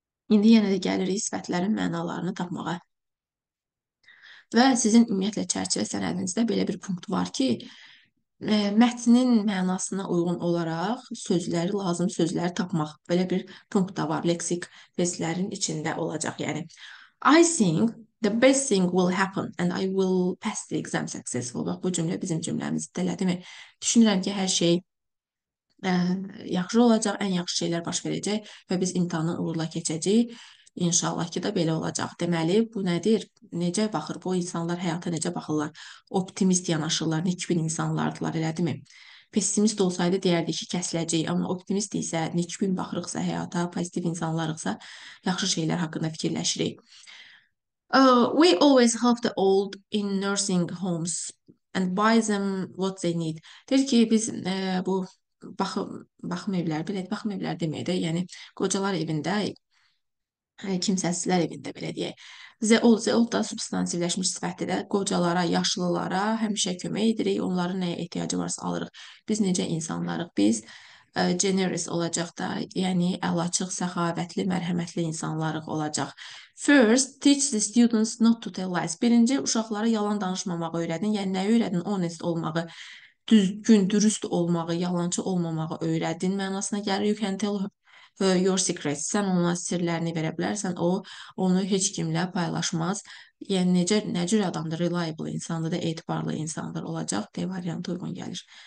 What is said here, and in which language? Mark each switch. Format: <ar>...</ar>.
<az>İndi yenə də gəlirik sifətlərin mənalarını tapmağa. Və sizin ümumiyyətlə çərçivə sənədinizdə belə bir punkt var ki, mətnin mənasına uyğun olaraq sözləri, lazım sözləri tapmaq. Belə bir punkt da var leksik bezlərin içində olacaq.</az> <en>Yəni, I think the best thing will happen and I will pass the exam successfully.</en> <az>Bax, bu cümlə bizim cümləmizdir, deyil mi? Düşünürəm ki, hər şey yaxşı olacaq, ən yaxşı şeylər baş verəcək və biz imtahanı uğurla keçəcəyik. İnşallah ki də belə olacaq. Deməli, bu nədir? Necə baxır bu insanlar həyata necə baxırlar? Optimist yanaşırlar, nə kimi insanlardılar, elədimi? Pessimist olsaydı deyərdik ki, kəsiləcəyik, amma optimist isə, nə kimi baxırıqsa həyata, pozitiv insanlarıqsa, yaxşı şeylər haqqında fikirləşirik.</az> <en>We always help the old in nursing homes and buy them what they need.</en> <az>Deyir ki, biz bu baxım evləri, belə baxım evləri deməyə də, yəni qocalar evində kimsəsizlər evində belə deyək. Zəol da substantivləşmiş sifətdir də. Qocalara, yaşlılara həmişə kömək edirik. Onların nəyə ehtiyacı varsa alırıq. Biz necə insanlarıq? Biz generous olacaq da, yəni əlaçıq, səxavətli, mərhəmətli insanlarıq olacaq.</az> <en>First, teach the students not to tell lies.</en> <az>Birinci, uşaqlara yalan danışmamağı öyrədin. Yəni, nəyi öyrədin? Honest olmağı, düzgün, dürüst olmağı, yalançı olmamağı öyrədin. Mənasına gəlir,</az> <en>you can tell your secrets.</en> <az>Sən onun sirlərini verə bilərsən, o onu heç kimlə paylaşmaz. Yəni nə cür adamdır? Reliable insandır da, etibarlı insandır olacaq. D variantı uyğun gəlir.</az>